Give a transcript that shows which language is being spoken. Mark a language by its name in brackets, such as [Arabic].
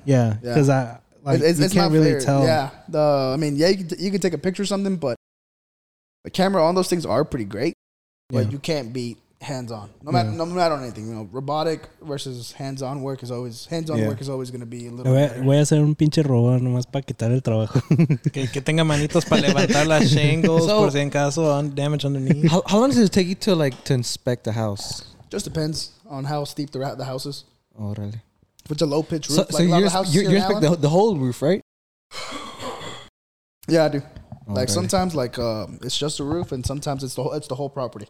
[English] Yeah, because yeah. You can't really tell. Yeah, you can take a picture or something, but a camera on those things are pretty great. But you can't be hands-on. No matter anything, you know, robotic versus hands-on work is always going to be a little better. [Spanish] Voy a hacer un pinche robot nomás para quitar el trabajo. que tenga manitos para levantar las shingles por si en caso [English] damage underneath. How long does it take you to like to inspect a house? Just depends on how steep the house is. Oh, really? If it's a low pitch roof, you inspect the whole roof, right? Yeah, I do. Sometimes it's just a roof, and sometimes it's the whole property.